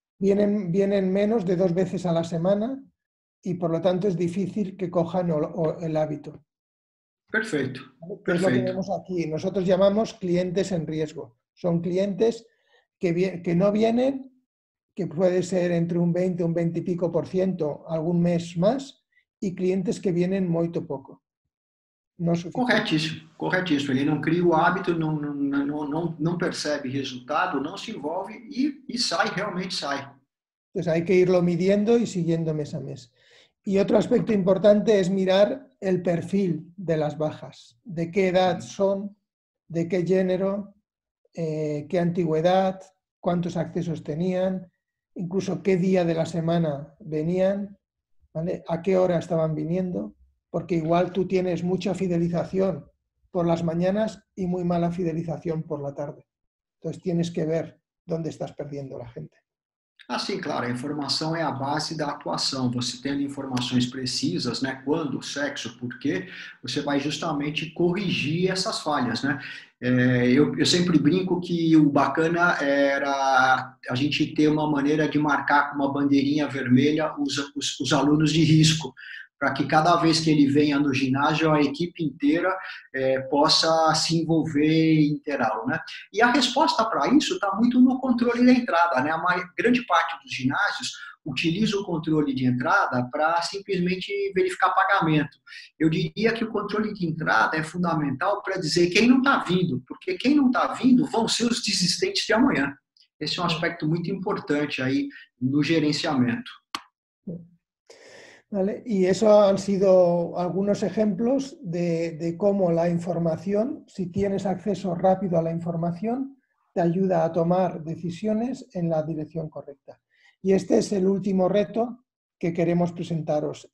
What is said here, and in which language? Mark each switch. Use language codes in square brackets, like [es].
[es] Vienen menos de 2 veces a la semana y por lo tanto es difícil que cojan el hábito. Perfecto. Es lo que vemos aquí. Nosotros llamamos clientes en riesgo. Son clientes que no vienen, que puede ser entre un 20 o un 20 y pico% algún mes más. [pt] E clientes que vêm muito pouco. Corretíssimo. Ele não cria o hábito, não percebe resultado, não se envolve e sai, realmente sai. [es] Pues hay que irlo midiendo e siguiendo [pt] mês a mês. E outro aspecto importante é [es] mirar o perfil de las bajas. De que edad son, de que género, que antigüedad, quantos accesos tenían, incluso que día de la semana venían. ¿Vale? ¿A qué hora estaban viniendo? Porque igual tú tienes mucha fidelización por las mañanas y muy mala fidelización por la tarde. Entonces tienes que ver [pt] onde estás perdendo a gente. Ah, sim, claro. A informação é a base da atuação. Você tendo informações precisas, né? Quando, sexo, por quê? Você vai justamente corrigir essas falhas, né? É, eu sempre brinco que o bacana era a gente ter uma maneira de marcar com uma bandeirinha vermelha os alunos de risco, para que cada vez que ele venha no ginásio, a equipe inteira possa se envolver e interá-lo, né? E a resposta para isso está muito no controle da entrada, né? A grande parte dos ginásios utiliza o controle de entrada para simplesmente verificar pagamento. Eu diria que o controle de entrada é fundamental para dizer quem não está vindo, porque quem não está vindo vão ser os desistentes de amanhã. Esse é um aspecto muito importante aí no gerenciamento. [es] Vale. Y eso han sido algunos ejemplos de cómo la información, si tienes acceso rápido a la información, te ayuda a tomar decisiones en la dirección correcta. Y este es el último reto que queremos presentaros.